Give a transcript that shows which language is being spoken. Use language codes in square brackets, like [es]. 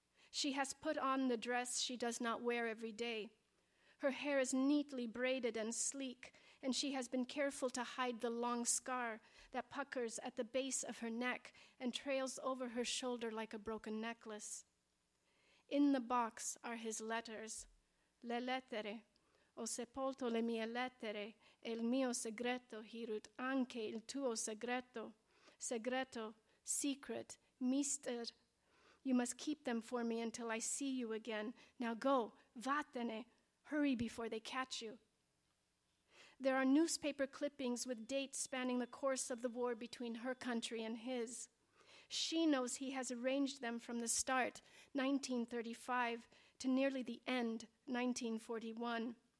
[en] She has put on the dress she does not wear every day. Her hair is neatly braided and sleek, and she has been careful to hide the long scar that puckers at the base of her neck and trails over her shoulder like a broken necklace. In the box are his letters. [it] Le lettere. Ho sepolto le mie lettere, e il mio segreto, Hirut, anche il tuo segreto. [en] Segreto, secret, mister. You must keep them for me until I see you again. Now go, vattene. Hurry before they catch you. There are newspaper clippings with dates spanning the course of the war between her country and his. She knows he has arranged them from the start, 1935, to nearly the end, 1941.